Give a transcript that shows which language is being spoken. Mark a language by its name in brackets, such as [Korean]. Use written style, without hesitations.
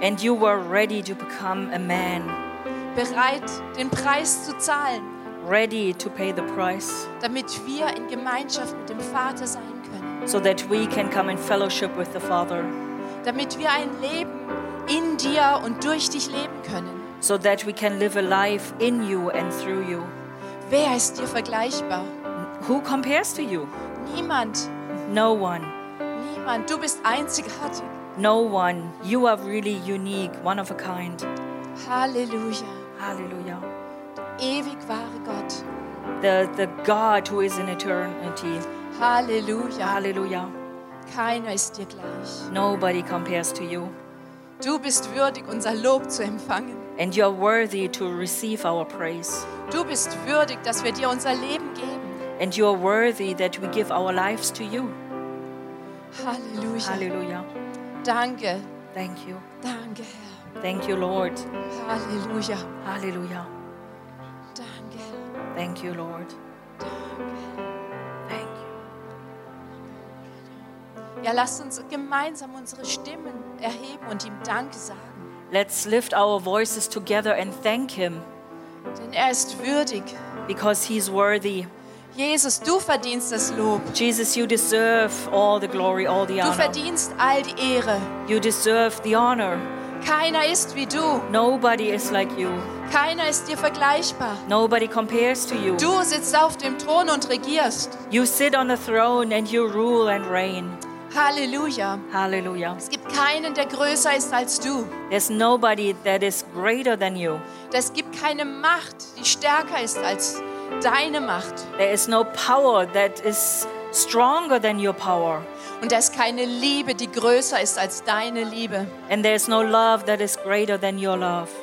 [English] And you were ready to become a man. [German] Bereit, den Preis zu zahlen. [English] Ready to pay the price. [German] Damit wir in Gemeinschaft mit dem Vater sein können. [English] So that we can come in fellowship with the Father. [German] Damit wir ein Leben in dir und durch dich leben können. [English] So that we can live a life in you and through you. [German] Wer ist dir vergleichbar? [English] Who compares to you? [German] Niemand. [English] No one. [German] Niemand. Du bist einzigartig. [English] No one. You are really unique, one of a kind. [German] Halleluja. [English] Halleluja. [German] Ewig wahre Gott. [English] The God who is in eternity. [German] Halleluja. [English] Halleluja. [German] Keiner ist dir gleich. [English] Nobody compares to you. [German] Du bist würdig, unser Lob zu empfangen. [English] And you are worthy to receive our praise. [German] Du bist würdig, dass wir dir unser Leben geben. [English] And you are worthy that we give our lives to you. [German] Halleluja. [English] Halleluja. [German] Danke. [English] Thank you. [German] Danke, Herr. [English] Thank you, Lord. [German] Halleluja. [English] Halleluja. [German] Danke. [English] Thank you, Lord. [German] Danke. [English] Thank you. [German] Ja, lasst uns gemeinsam unsere Stimmen erheben und ihm Danke sagen. [English] Let's lift our voices together and thank him. [German] Denn er ist würdig. [English] Because he's worthy. [German] Jesus, du verdienst das Lob. [English] Jesus, you deserve all the glory, all the [German] du [English] honor. [German] Du verdienst all die Ehre. [English] You deserve the honor. [German] Keiner ist wie du. [English] Nobody is like you. [German] Keiner ist dir vergleichbar. [English] Nobody compares to you. [German] Du sitzt auf dem Thron und regierst. [English] You sit on the throne and you rule and reign. [German] Halleluja. [English] Halleluja. [German] Es gibt keinen, der größer ist als du. [English] There's nobody that is greater than you. [German] Es gibt keine Macht, die stärker ist als deine Macht. [English] There is no power that is stronger than your power. [German] Und es keine Liebe, die größer ist als deine Liebe. [English] And there is no love that is greater than your love.